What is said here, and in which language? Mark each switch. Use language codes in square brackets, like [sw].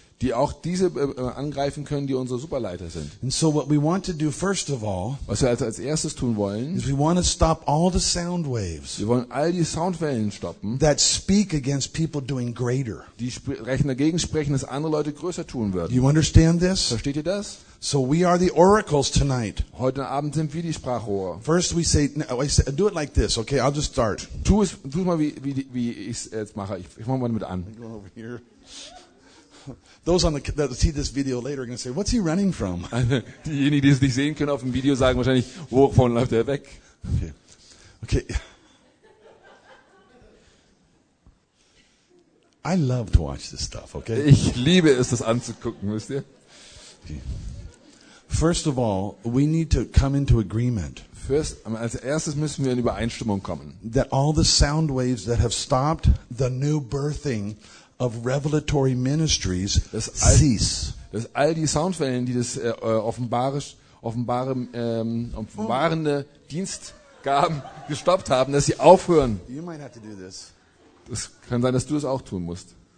[de] Die auch diese angreifen können, die unsere Superleiter sind. [en] And so what we want to do first of all, [de] was wir also als erstes tun wollen, [en] is we want to stop all the sound waves. [de] Wir wollen all die Soundwellen stoppen. [en] That speak against people doing greater. [de] Die dagegen sprechen, dass andere Leute größer tun würden. [en] Do you understand this? [de] Versteht ihr das? [en] So we are the oracles tonight. [de] Heute Abend sind wir die Sprachrohr. [en] First we say, no, do it like this, okay? I'll just start. [de] Tu es mal wie ich jetzt mache. Ich fange mal mit an. [en] Go over here. Those on the that see this video later are going to say, "What's he running from?" [de] Diejenigen, die es nicht sehen können auf dem Video, sagen wahrscheinlich, wovon läuft er weg? [en] Okay. I love to watch this stuff. Okay. [de] Ich liebe es, das anzugucken, wisst ihr? Okay. [en] First of all, we need to come into agreement. [de] Als erstes müssen wir in Übereinstimmung kommen. [en] That all the sound waves that have stopped the new birthing of revelatory ministries cease. [de] Dass all die Soundwellen, die das offenbarende Dienstgaben gestoppt haben, dass sie aufhören. [en] You might have to do this. [de] Das kann sein, dass du es auch tun musst.